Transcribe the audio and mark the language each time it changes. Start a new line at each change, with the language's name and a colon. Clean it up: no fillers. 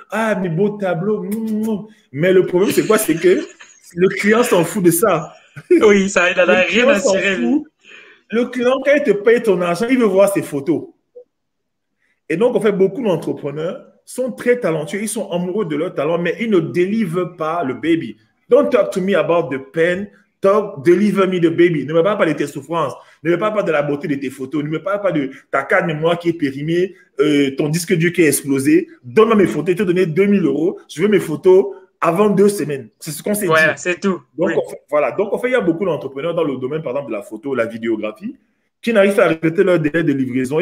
French: Ah, mes beaux tableaux. Mais le problème, c'est quoi? C'est que le client s'en fout de ça. Oui, ça, il n'a rien à tirer. Le client, quand il te paye ton argent, il veut voir ses photos. Et donc, en fait, beaucoup d'entrepreneurs sont très talentueux. Ils sont amoureux de leur talent, mais ils ne délivrent pas le baby.
English: Don't talk to me about the pain. Talk, deliver me the baby.
French: Ne me parle pas de tes souffrances. Ne me parle pas de la beauté de tes photos. Ne me parle pas de ta carte mémoire qui est périmée, ton disque dur qui est explosé. Donne-moi mes photos. Je te donne 2000 euros. Je veux mes photos avant 2 semaines. C'est ce qu'on s'est dit. C'est tout. Donc, oui. Donc, en fait, il y a beaucoup d'entrepreneurs dans le domaine, par exemple, de la photo, la vidéographie, qui n'arrivent pas à respecter leur délai de livraison.